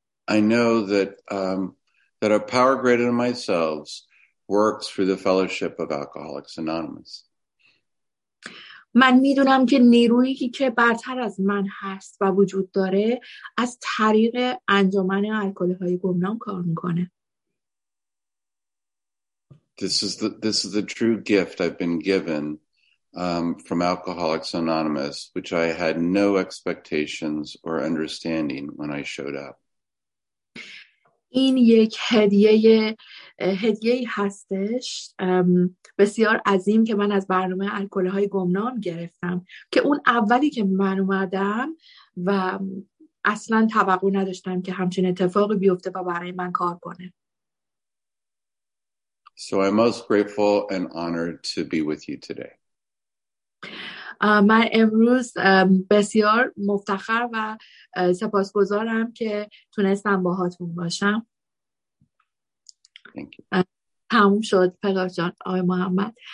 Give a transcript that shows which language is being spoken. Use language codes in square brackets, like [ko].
[en] I know that that a power greater than myself works through the fellowship of Alcoholics Anonymous. [fa] من میدونم که نیرویی که برتر از من هست و وجود داره از طریق انجمن الکل‌های گمنام کار میکنه. [en] This is the true gift I've been given from Alcoholics Anonymous, which I had no expectations or understanding when I showed up. [fa] این یک هدیه‌ای هستش بسیار عظیم که من از برنامه الکل‌های گمنام گرفتم که اون اولی که من اومدم و اصلا توقع نداشتم که همچین اتفاقی بیفته و برای من کار کنه. [en] So I'm most grateful and honored to be with you today. [fa] من امروز بسیار مفتخر و سپاسگزارم که تونستم باهاتون باشم. [en] Thank you. [fa] تموم شد پدر جان آقای محمد.